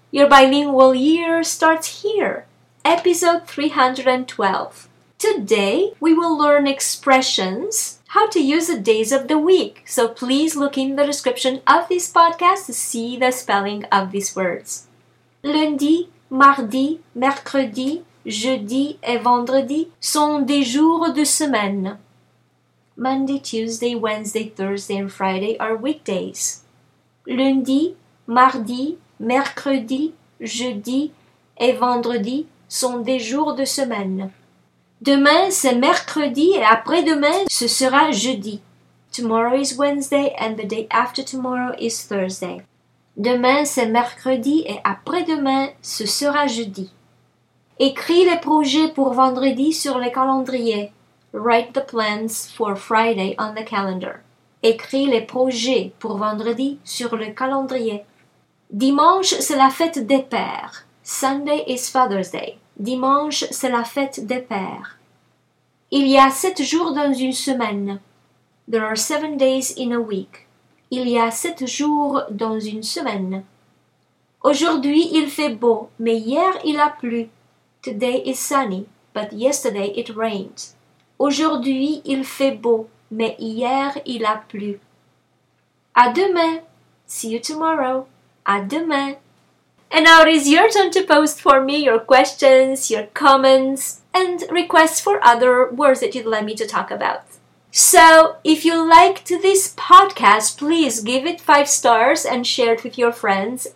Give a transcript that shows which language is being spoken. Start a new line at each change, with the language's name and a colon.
English: Your bilingual year starts here, episode 312. Today we will learn expressions, how to use the days of the week. So please look in the description of this podcast to see the spelling of these words.
French: Lundi, mardi, mercredi, jeudi et vendredi sont des jours de semaine.
English: Monday, Tuesday, Wednesday, Thursday and Friday are weekdays.
French: Lundi, mardi, mercredi, jeudi et vendredi sont des jours de semaine. Demain, c'est mercredi et après-demain, ce sera jeudi.
English: Tomorrow is Wednesday and the day after tomorrow is Thursday.
French: Demain, c'est mercredi et après-demain, ce sera jeudi. Écris les projets pour vendredi sur le calendrier.
English: Write the plans for Friday on the calendar.
French: Écris les projets pour vendredi sur le calendrier. Dimanche, c'est la fête des pères.
English: Sunday is Father's Day.
French: Dimanche, c'est la fête des pères. Il y a 7 jours dans une semaine.
English: There are 7 days in a week.
French: Il y a 7 jours dans une semaine. Aujourd'hui, il fait beau, mais hier, il a plu.
English: Today is sunny, but yesterday it rained.
French: Aujourd'hui, il fait beau, mais hier, il a plu. À demain.
English: See you tomorrow.
French: À demain.
English: And now it is your turn to post for me your questions, your comments, and requests for other words that you'd like me to talk about. So, if you liked this podcast, please give it 5 stars and share it with your friends.